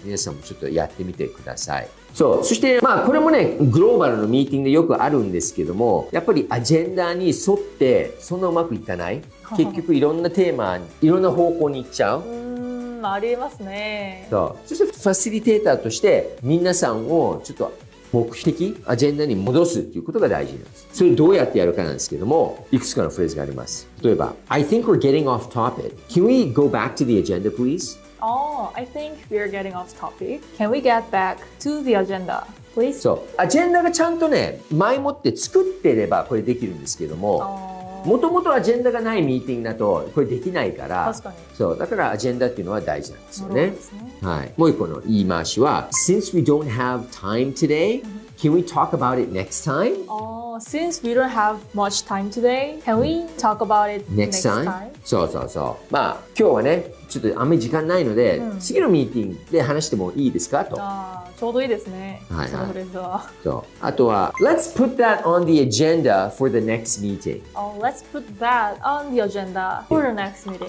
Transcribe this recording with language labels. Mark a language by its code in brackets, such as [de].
[ja] 皆さんもちょっとやってみてください。そう、そしてまあこれもね、グローバルのミーティングでよくあるんですけども、やっぱりアジェンダに沿ってそんなうまくいかない、結局いろんなテーマ、いろんな方向に行っちゃう、ありえますね。そう、そしてファシリテーターとして皆さんをちょっと目的、アジェンダに戻すっていうことが大事なんです。それどうやってやるかなんですけども、いくつかのフレーズがあります。例えば [en] I think we're getting off topic. Can we go back to the agenda please? I think we are getting off topic. Can we get back to the agenda, please? [ja] そう、アジェンダがちゃんとね、前もって作ってればこれできるんですけども、もともとアジェンダがないミーティングだとこれできないから、確かに。そう、だからアジェンダっていうのは大事なんですよね。そうですね。はい。 [en] もう一個の言い回しは、Since we don't have time today, can we talk about it next time? Since we don't have much time today, can we talk about it next time? [ja] そうそうそう。まあ、今日はね、ちょっとあんまり時間ないので、うん、次のミーティングで話してもいいですかと。あ、ちょうどいいですね。はいはい、それでは。そう。 [en] あとは、Let's put that on the agenda for the next meeting. Let's put that on the agenda for the next meeting.